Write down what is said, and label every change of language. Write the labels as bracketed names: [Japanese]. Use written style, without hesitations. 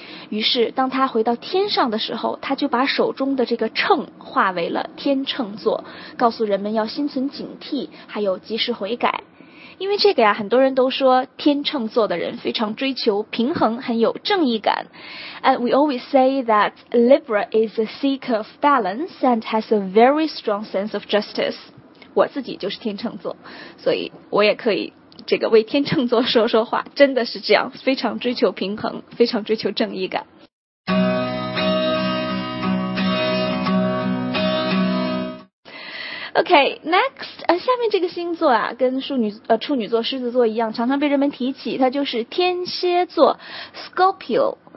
[Chinese] 于是当他回到天上的时候，他就把手中的这个秤化为了天秤座，告诉人们要心存警惕，还有及时悔改。因为这个呀，很多人都说天秤座的人非常追求平衡，很有正义感。 [English] And we always say that Libra is a seeker of balance and has a very strong sense of justice。 [Chinese] 我自己就是天秤座，所以我也可以这个为天秤座说说话，真的是这样，非常追求平衡，非常追求正义感。 OK,next,、okay, 下面这个星座啊，跟处女座、狮子座一样，常常被人们提起，它就是天蝎座 Scorpio。